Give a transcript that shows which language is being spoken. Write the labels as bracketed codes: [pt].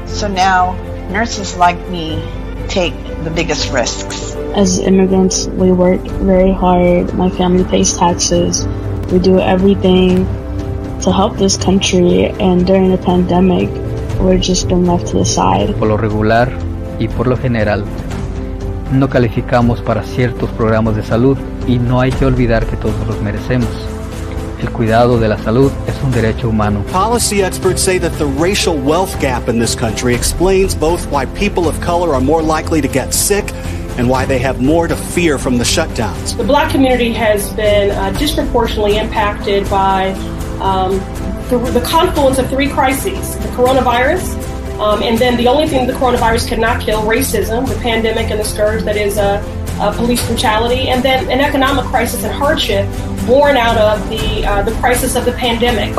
[en] So now, nurses like me take the biggest risks. As immigrants, we work very hard. My family pays taxes. We do everything to help this country, and during a pandemic, we're just been left to the side. [es] Por lo regular y por lo general, no calificamos para ciertos programas de salud, y no hay que olvidar que todos los merecemos. El cuidado de la salud es un derecho humano. [en] Policy experts say that the racial wealth gap in this country explains both why people of color are more likely to get sick and why they have more to fear from the shutdowns. The Black community has been disproportionately impacted by the confluence of three crises: the coronavirus, and then the only thing the coronavirus could not kill, racism, the pandemic and the scourge that is police brutality, and then an economic crisis and hardship born out of the crisis of the pandemic.